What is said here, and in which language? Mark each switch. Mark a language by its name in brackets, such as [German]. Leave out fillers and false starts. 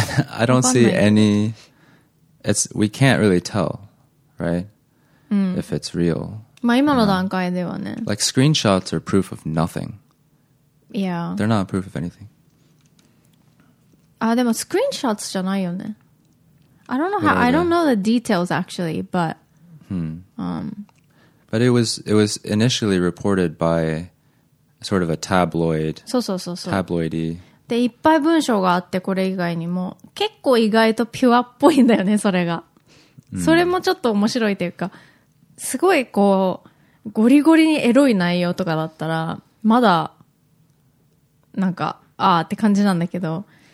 [English] I don't see any. It's we can't really tell, right? If it's real. [Japanese] まあ今の段階ではね。 [English] Like screenshots are proof of nothing. Yeah. They're not proof of anything. [Japanese] あ、でもスクリーンショットじゃないよね。 [English] I don't know how. I don't know the details actually, but. But it was initially reported by sort of a tabloid. [Japanese] そう。 [English] Tabloidy. [Japanese] で、いっぱい文章があってこれ以外にも結構意外とピュアっぽいんだよね、それが。それもちょっと面白いというか、すごいこうゴリゴリにエロい内容とかだったらまだなんかああって感じなんだけど。